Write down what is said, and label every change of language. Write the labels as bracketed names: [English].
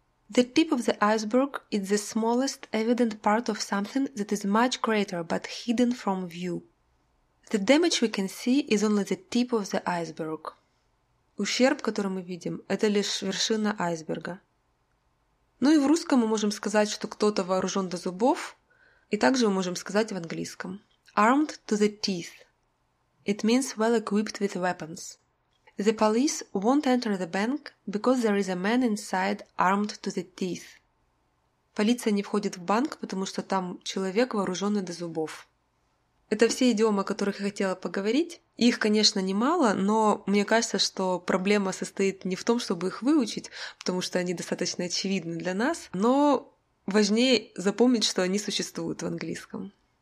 [English] The tip of the iceberg is the smallest evident part of something that is much greater but hidden from view. The damage we can see is only the tip of the iceberg. [Russian] Ущерб, который мы видим, это лишь вершина айсберга. Ну и в русском мы можем сказать, что кто-то вооружен до зубов, и также мы можем сказать в английском. [English] Armed to the teeth. It means well equipped with weapons. The police won't enter the bank because there is a man inside armed to the teeth. [Russian] Полиция не входит в банк, потому что там человек, вооруженный до зубов. Это все идиомы, о которых я хотела поговорить. Их, конечно, немало, но мне кажется, что проблема состоит не в том, чтобы их выучить, потому что они достаточно очевидны для нас, но важнее запомнить, что они существуют в английском.